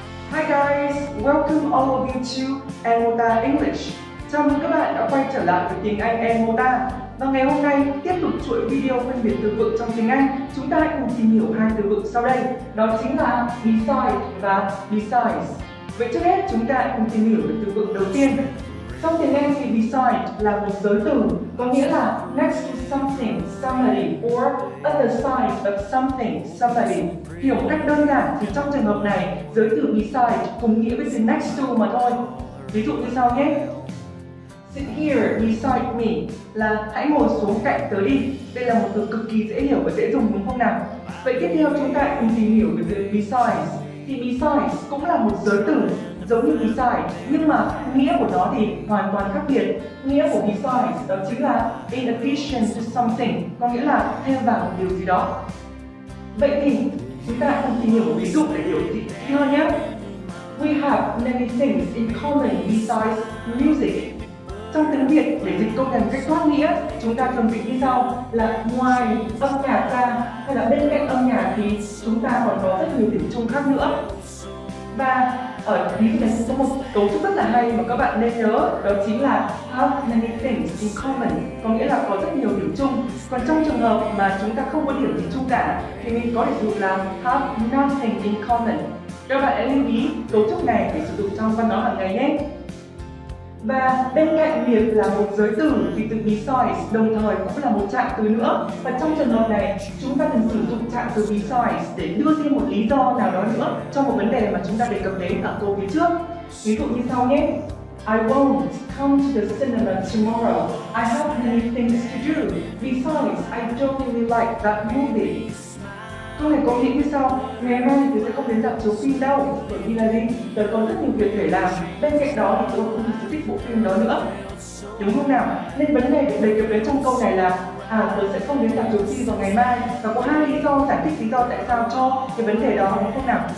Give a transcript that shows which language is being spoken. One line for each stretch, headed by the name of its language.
English: Hi guys, welcome all of you to Enmota English.
Vietnamese: Chào mừng các bạn đã quay trở lại với tiếng Anh Enmota. Và ngày hôm nay, tiếp tục chuỗi video phân biệt từ vựng trong tiếng Anh, chúng ta hãy cùng tìm hiểu hai từ vựng sau đây. Đó chính là beside và besides. Vậy trước hết, chúng ta hãy cùng tìm hiểu về từ vựng đầu tiên. Trong tiếng Anh thì beside là một giới từ, có nghĩa là
English: next to something, somebody,
Vietnamese: or other side of something, somebody. Hiểu cách đơn giản thì trong trường hợp này, giới từ beside cùng nghĩa với từ next to mà thôi. Ví dụ như sau nhé.
English: Sit here beside me
Vietnamese: là hãy ngồi xuống cạnh tớ đi. Đây là một từ cực kỳ dễ hiểu và dễ dùng đúng không nào? Vậy tiếp theo chúng ta cùng tìm hiểu về từ besides. Thì besides cũng là một giới từ giống như beside, nhưng mà nghĩa của nó thì hoàn toàn khác biệt. Nghĩa của besides đó chính là
English: in addition to something,
Vietnamese: có nghĩa là thêm vào một điều gì đó. Vậy thì chúng ta cùng tìm hiểu một ví dụ để hiểu tiếp theo nhé.
English: We have many things in common besides music.
Vietnamese: Trong tiếng Việt, để dịch câu này một cách thoát nghĩa, chúng ta thường dịch như sau là ngoài âm nhạc ra hay là bên cạnh âm nhạc thì chúng ta còn có rất nhiều điểm chung khác nữa. Và ở ví dụ này cũng có một cấu trúc rất là hay mà các bạn nên nhớ, đó chính là
English: have many things in common,
Vietnamese: có nghĩa là có rất nhiều điểm chung. Còn trong trường hợp mà chúng ta không có điểm gì chung cả thì mình có thể dùng là
English: have nothing in common.
Vietnamese: Các bạn hãy lưu ý cấu trúc này để sử dụng trong văn hóa hàng ngày nhé. Và bên cạnh việc là một giới từ thì từ besides đồng thời cũng là một trạng từ nữa. Và trong trường hợp này, chúng ta cần sử dụng trạng từ besides để đưa thêm một lý do nào đó nữa cho một vấn đề mà chúng ta đề cập đến ở câu phía trước. Ví dụ như sau nhé.
English: I won't come to the cinema tomorrow. I have many things to do. Besides, I don't really like that movie.
Vietnamese: Câu này có nghĩa như sau, ngày mai thì tôi sẽ không đến dạp chiếu phim đâu, bởi vì là gì? Tôi có rất nhiều việc phải làm, bên cạnh đó thì tôi không thích bộ phim đó nữa. Đúng không nào? Nên vấn đề được đề cập đến trong câu này là tôi sẽ không đến dạp chiếu phim vào ngày mai. Và có hai lý do giải thích lý do tại sao cho cái vấn đề đó, đúng không nào?